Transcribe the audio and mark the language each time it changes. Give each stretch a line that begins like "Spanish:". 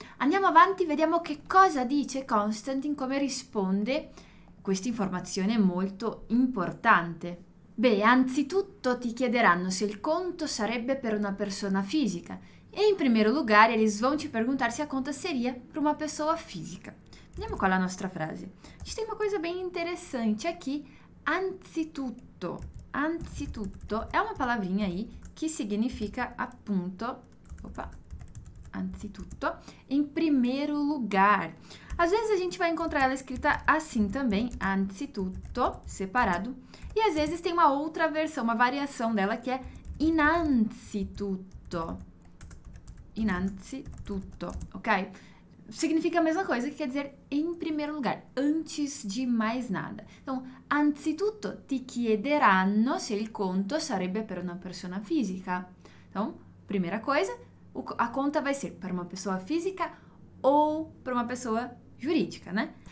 Italian: Andiamo avanti, vediamo che cosa dice Constantin, come risponde. Questa informazione è molto importante. Beh, anzitutto ti chiederanno se il conto sarebbe per una persona fisica.
Portuguese: Em primeiro lugar, eles vão te perguntar se a conta seria para uma pessoa física. Vediamo qual é a nossa frase. A gente tem uma coisa bem interessante aqui. Anzitutto. Anzitutto é uma palavrinha aí que significa, appunto, opa, anzitutto, em primeiro lugar. Às vezes a gente vai encontrar ela escrita assim também, anzitutto, separado. E às vezes tem uma outra versão, uma variação dela que é innanzitutto. Innanzitutto, ok? Significa a mesma coisa, que quer dizer em primeiro lugar, antes de mais nada.
Italian: Então, anzitutto ti chiederanno se il conto sarebbe per una persona fisica.
Portuguese: Então, primeira coisa, a conta vai ser para uma pessoa física ou para uma pessoa giuridica, né?